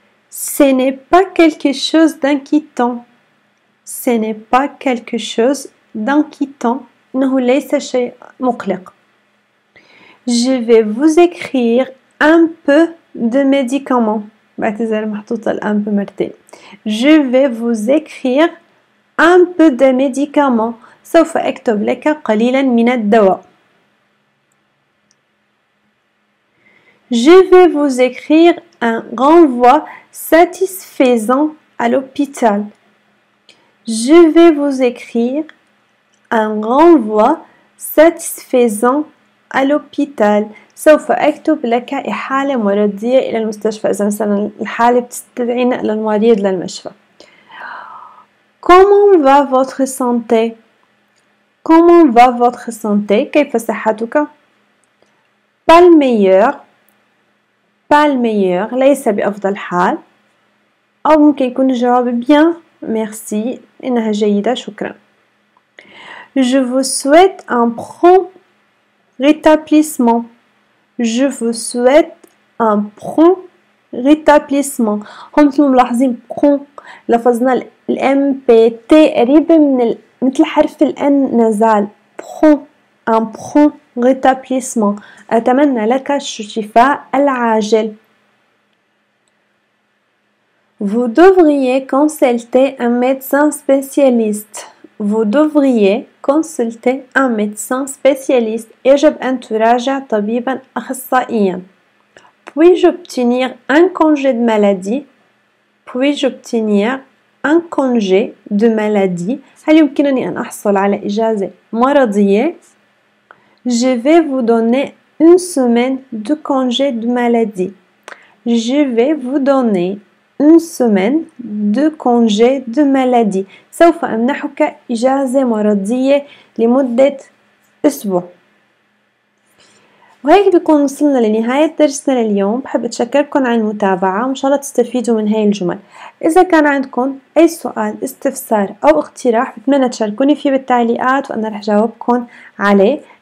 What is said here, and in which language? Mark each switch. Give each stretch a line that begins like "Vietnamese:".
French: Ce n'est pas quelque chose d'inquiétant. Ce n'est pas quelque chose d'inquiétant.
Arabic: إنه ليس شيء مقلق.
French: Je vais vous écrire un peu de médicaments.
Arabic: بعتذر محطوطة الآن بمرتين.
French: Je vais vous écrire un peu de médicaments.
Arabic: سوف أكتب لك قليلا من الدواء.
French: Je vais vous écrire un renvoi satisfaisant à l'hôpital. Je vais vous écrire un renvoi satisfaisant à l'hôpital.
Arabic: سوف أكتب لك إحالة مرضية إلى المستشفى إذا مثلا الحالة بتستدعينا إلى المريض للمشفى.
French: Comment va votre santé? Comment va votre santé?
Arabic: كيف صحتك؟
French: Pas le meilleur. Pas le meilleur.
Arabic: ليس بأفضل حال. أو ممكن يكون الجواب bien. Merci. إنها جيدة. شكرا.
French: Je vous souhaite un prompt rétablissement. Je vous souhaite un prompt rétablissement.
Arabic: هم ملاحظين prompt. لفظنا ال M P T قريب من ال مثل حرف ال N نزال.
French: Prompt. Un prompt rétablissement.
Arabic: أتمنى لك الشفاء العاجل.
French: Vous devriez consulter un médecin spécialiste. Vous devriez consulter un médecin spécialiste.
Arabic: يجب أن تراجع طبيبا أخصائيا.
French: Puis-je obtenir un congé de maladie? Puis-je obtenir un congé de maladie?
Arabic: هل يمكنني أن أحصل على إجازة مرضية؟
French: Je vais vous donner une semaine de congé de maladie. Je vais vous donner une semaine de congé de maladie.
Arabic: سوف أمنحك إجازة مرضية لمدة أسبوع. وهيك بكون وصلنا لنهاية درسنا لليوم. بحب أتشكركم على المتابعة وإن شاء الله تستفيدوا من هاي الجمل. إذا كان عندكم أي سؤال استفسار أو اقتراح بتمنى تشاركوني فيه بالتعليقات وأنا رح جاوبكم عليه.